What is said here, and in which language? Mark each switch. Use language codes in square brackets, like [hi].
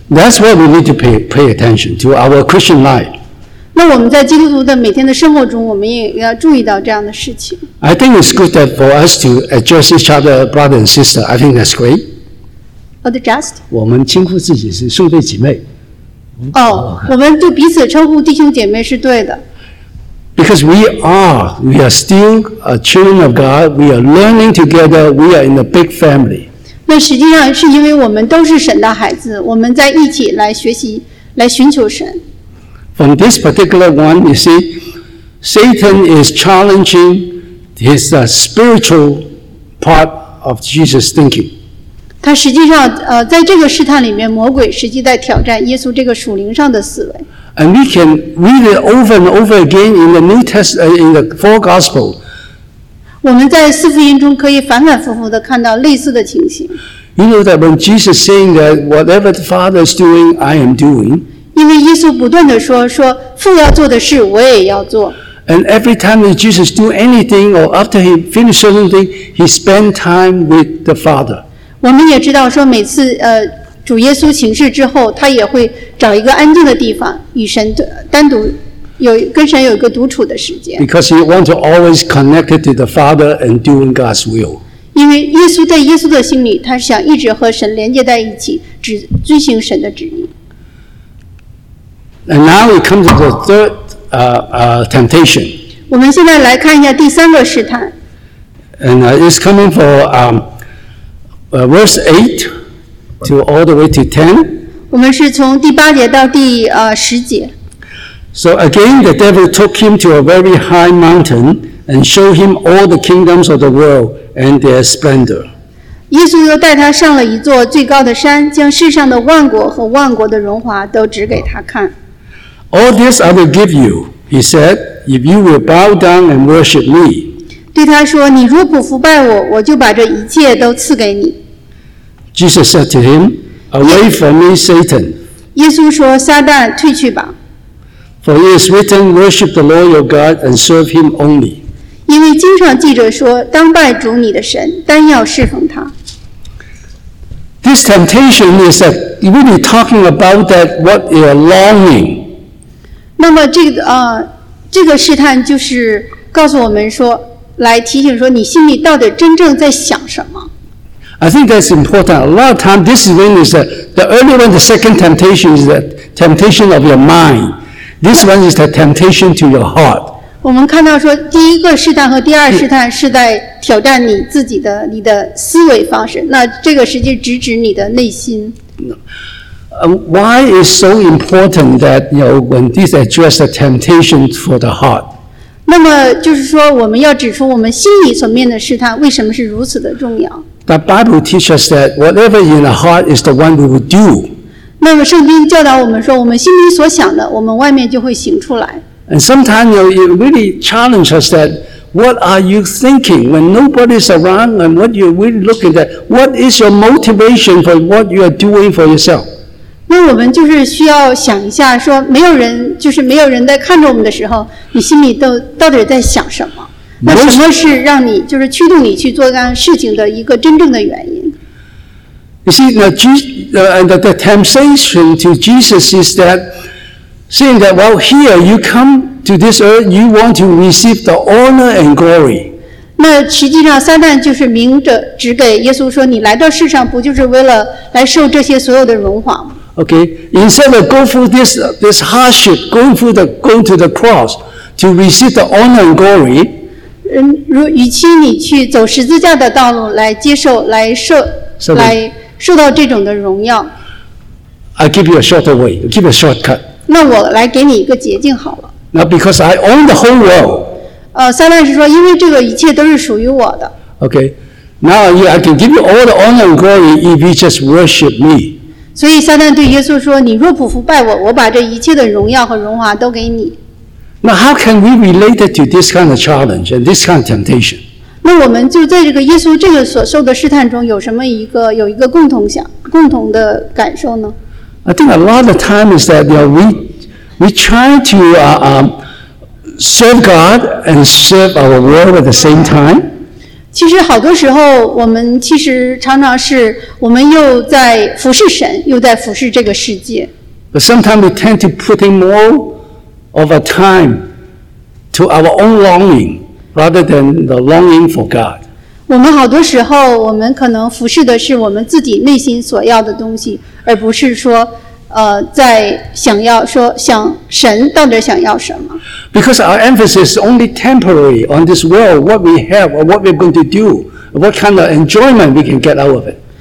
[en] That's what we need to pay attention to our Christian life. [zh] 那我们在基督徒的每天的生活中，我们也要注意到这样的事情。 [en] I think it's good that for us to address each other, brother and sister. I think that's great. Adjust. [zh] 我们称呼自己是兄弟姐妹。哦、oh, ，我们对彼此称呼弟兄姐妹是对的。 [en] Because we are still a children of God. We are learning together. We are in a big family. [zh] 那实际上是因为我们都是神的孩子，我们在一起来学习，来寻求神。 [en] From this particular one, you see, Satan is challenging his spiritual part of Jesus' thinking. [zh] 他实际上，在这个试探里面，魔鬼实际在挑战耶稣这个属灵上的思维。 [en] And we can read it over and over again in the New Testament, in the four Gospels. [zh] 我们在四福音中可以反反复复地看到类似的情形。 [en] You know that when Jesus is saying that whatever the Father is doing, I am doing. [zh] 因为耶稣不断地说父要做的事我也要做。 [en] And every time that Jesus do anything or after he finishes something, he spend time with the Father. [zh] 我们也知道说每次主耶稣行事之后，他也会找一个安静的地方，与神单独有跟神有一个独处的时间。 [en] Because he want to always connected to the Father and doing God's will. [zh] 因为耶稣在耶稣的心里，他想一直和神连接在一起，只遵行神的旨意。 [en] And now we come to the third temptation. [zh] 我们现在来看一下第三个试探。 [en] And it's coming for verse 8. To all the way to 10. [zh] 我们是从第八节到第十节。 [en] So again, the devil took him to a very high mountain and showed him all the kingdoms of the world and their splendor. [zh] 耶稣又带他上了一座最高的山，将世上的万国和万国的荣华都指给他看。 [en] All this I will give you, he said, if you will bow down and worship me. [zh] 对他说，你如果服拜我，我就把这一切都赐给你。 [en] Jesus said to him, "Away from me, Satan." [zh] 耶稣说：“撒旦，退去吧。” [en] For it is written, "Worship the Lord your God and serve Him only." [zh] 因为经常记着说，当拜主你的神，单要侍奉他。 [en] This temptation is that we be talking about that what you are longing. [zh] 那么这个试探就是告诉我们说，来提醒说你心里到底真正在想什么。 [en] I think that's important. A lot of times, this is when the early one, the second temptation is the temptation of your mind. This one is the temptation to your heart. [zh] 我们看到说，第一个试探和第二试探是在挑战你自己的你的思维方式。那这个实际直指你的内心。 [en] Why is so important that you know when this address the temptation for the heart? [zh] 那么就是说，我们要指出我们心里所面的试探为什么是如此的重要。 [en] The Bible teaches us that whatever in the heart is the one we will do. [zh] 那么圣经教导我们说，我们心里所想的，我们外面就会行出来。 [en] And sometimes you know, it really challenges us that what are you thinking when nobody is around and what you're really looking at? What is your motivation for what you are doing for yourself? [zh] 那我们就是需要想一下，说没有人，就是没有人在看着我们的时候，你心里都到底在想什么？那什么是让你就是驱动你去做这样事情的一个真正的原因 [en] ？You see, now the temptation to Jesus is that saying that, well, here you come to this earth, you want to receive the honor and glory. [zh] 那实际上，撒旦就是明着指给耶稣说，你来到世上不就是为了来受这些所有的荣华吗 [en] ？Okay, instead of going through this hardship, going to the cross to receive the honor and glory. [zh] 与其你去走十字架的道路来接受来受到这种的荣耀 [en] I give you a shorter way I give you a shortcut [zh] 那我来给你一个捷径好了 [en] Now because I own the whole world [zh] 撒旦是说因为这个一切都是属于我的 [en] Okay Now I can give you all the honor and glory if you just worship me. [zh] 所以撒旦对耶稣说：“你若不服拜我，我把这一切的荣耀和荣华都给你。” [en] Now how can we relate to this kind of challenge and this kind of temptation? [zh] 那我们就在这个耶稣这个所受的试探中有什么有一个共同的感受呢？ [en] I think a lot of time is that you know, we try to serve God and serve our world at the same time. [zh] 其实好多时候我们其实常常是我们又在服侍神又在服侍这个世界。 [en] But sometimes we tend to put in more of our time to our own longing rather than the longing for God. [zh] 我们好多时候我们可能服侍的是我们自己内心所要的东西而不是说在想要说想神到底想要什么 [en] Because our emphasis is only temporary on this world, what we have or what we're going to do, what kind of enjoyment we can get out of it.